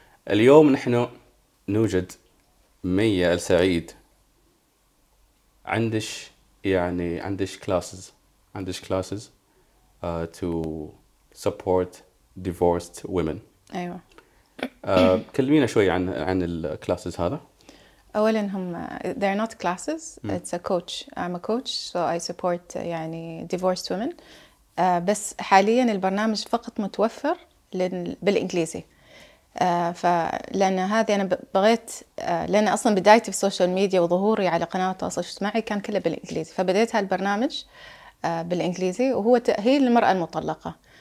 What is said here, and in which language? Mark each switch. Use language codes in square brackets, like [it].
[ar] اليوم نحن نوجد مية السعيد عندش كلاسز [en] to support divorced women. [ar] أيوة. كلمينا شوي عن الكلاسز هذا. أولاً هم [en] they're not classes. It's a coach. I'm a coach, so I support يعني divorced women. [ar] بس حالياً البرنامج فقط متوفر بالإنجليزي. فلأن هذه أنا بغيت لأن أصلاً بدايتي في السوشيال ميديا وظهوري على قناة التواصل الاجتماعي كان كله بالإنجليزي، فبديت هالبرنامج بالإنجليزي وهو تأهيل المرأة المطلقة.